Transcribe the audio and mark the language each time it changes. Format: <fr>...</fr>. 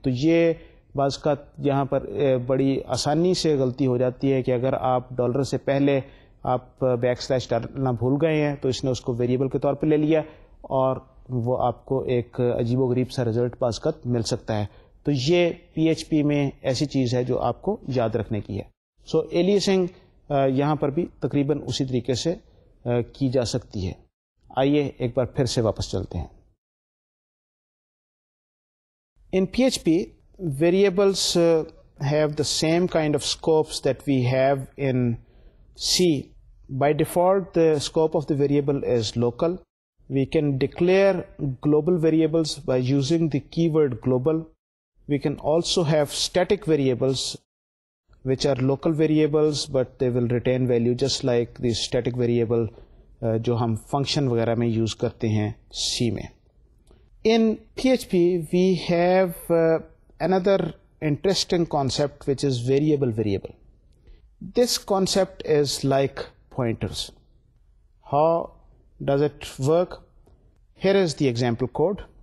<ur>تو یہ بعض کا یہاں پر بڑی آسانی سے غلطی ہو جاتی ہے کہ اگر آپ ڈالر سے پہلے آپ بیک سلیش ڈالنا بھول گئے ہیں تو اس نے اس کو ویریبل کے طور پہ لے لیا اور وہ آپ کو ایک عجیب و غریب سا رزلٹ پاس کر مل سکتا ہے. تو یہ پی ایچ پی میں ایسی چیز ہے جو آپ کو یاد رکھنے کی ہے. سو ایلیسنگ یہاں پر بھی تقریباً اسی طریقے سے کی جا سکتی ہے. آئیے ایک بار پھر سے واپس چلتے ہیں.</ur> <en>In PHP, variables have the same kind of scopes that we have in C. By default, the scope of the variable is local. We can declare global variables by using the keyword global. We can also have static variables, which are local variables, but they will retain value just like the static variable</en> <ur>جو ہم function وغیرہ میں use کرتے ہیں سی میں.</ur> <en>In P H P we have another interesting concept which is variable variable. This concept is like pointers. How does it work? Here is the example code.</en>